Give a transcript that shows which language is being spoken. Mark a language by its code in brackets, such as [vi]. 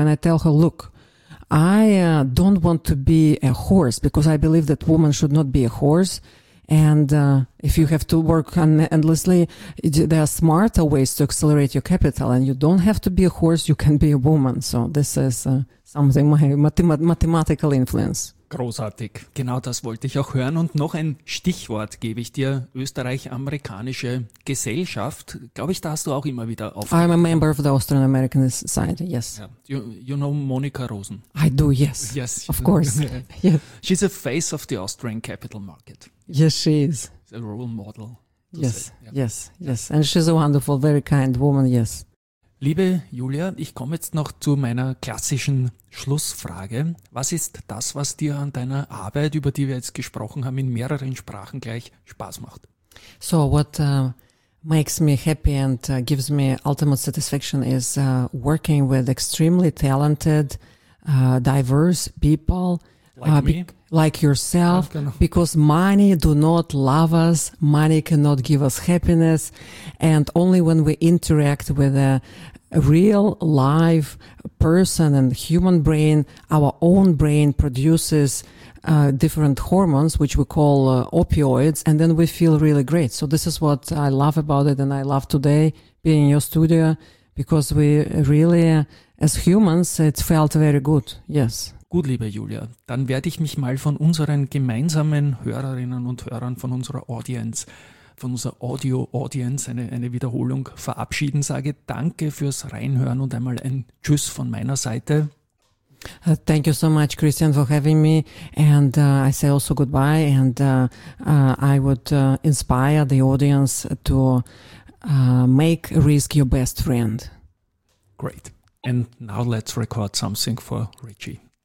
[en] And I tell her, look, I don't want to be a horse, because I believe that woman should not be a horse. And if you have to work endlessly, there are smarter ways to accelerate your capital. And you don't have to be a horse. You can be a woman. So this is something my mathematical influence. [de] Großartig. Genau das wollte ich auch hören. Und noch ein Stichwort gebe ich dir. Österreich-amerikanische Gesellschaft. Glaube ich, da hast du auch immer wieder [en] aufgehört. I'm a member of the Austrian American Society, yes. Yeah. You know Monika Rosen? I do, yes. Yes. Of course. Yeah. She's a face of the Austrian capital market. Yes, she is. A role model. Yes, yeah. Yes, yes. And she's a wonderful, very kind woman, yes. [de] Liebe Julia, ich komme jetzt noch zu meiner klassischen Schlussfrage. Was ist das, was dir an deiner Arbeit, über die wir jetzt gesprochen haben, in mehreren Sprachen gleich Spaß macht? [en] So, what makes me happy and gives me ultimate satisfaction is working with extremely talented, diverse people. Like me? Like yourself, because money do not love us, money cannot give us happiness, and only when we interact with a real live person and human brain, our own brain produces different hormones, which we call opioids, and then we feel really great. So this is what I love about it, and I love today being in your studio, because we really, as humans, it felt very good, yes. [de] Gut, liebe Julia, dann werde ich mich mal von unseren gemeinsamen Hörerinnen und Hörern, von unserer Audience, von unserer Audio-Audience eine Wiederholung verabschieden. Sage danke fürs Reinhören und einmal ein Tschüss von meiner Seite. [en] Thank you so much, Christian, for having me. And I say also goodbye. And I would inspire the audience to make Risk your best friend. Great. And now let's record something for Richie.